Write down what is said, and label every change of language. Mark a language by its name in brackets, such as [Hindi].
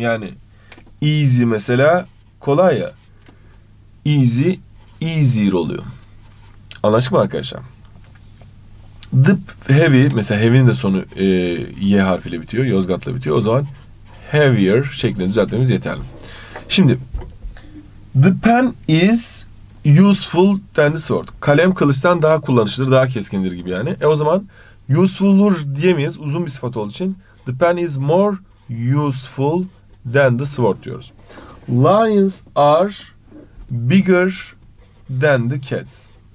[Turkish] Yani easy mesela kolay ya. Easy, easier oluyor. Anlaştık mı arkadaşlar? The heavy, mesela heavy'nin de sonu Y harfiyle bitiyor. Yozgat'la bitiyor. O zaman heavier şeklini düzeltmemiz yeterli. Şimdi [English] the pen is useful than the sword. [Turkish] Kalem kılıçtan daha kullanışlıdır, daha keskindir gibi yani. O zaman useful'dur diyemeyiz uzun bir sıfat olduğu için. [English] The pen is more useful than the sword [Turkish] diyoruz. [English] Lions are bigger than the cats.